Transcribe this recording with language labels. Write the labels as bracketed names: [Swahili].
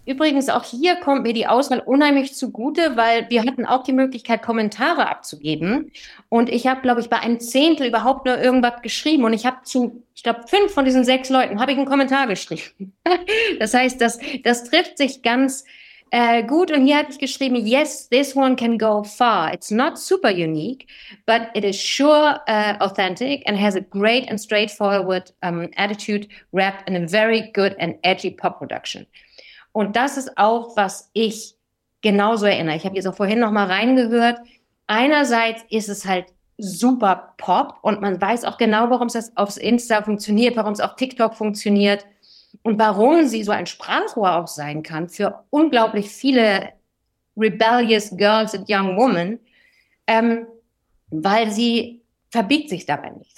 [German] Übrigens, auch hier kommt mir die Auswahl unheimlich zugute, weil wir hatten auch die Möglichkeit, Kommentare abzugeben. Und ich habe, glaube ich, bei einem Zehntel überhaupt nur irgendwas geschrieben. Und ich habe zu, ich glaube, 5 von diesen 6 Leuten habe ich einen Kommentar geschrieben. Das heißt, das trifft sich ganz gut. Und hier habe ich geschrieben, [English] yes, this one can go far. It's not super unique, but it is sure authentic and has a great and straightforward attitude, rap and a very good and edgy pop production. [German] Und das ist auch, was ich genauso erinnere. Ich habe jetzt auch vorhin nochmal reingehört. Einerseits ist es halt super Pop und man weiß auch genau, warum es aufs Insta funktioniert, warum es auf TikTok funktioniert. Und warum sie so ein Sprachrohr auch sein kann für unglaublich viele [English] rebellious girls and young women, [German] weil sie verbiegt sich dabei nicht.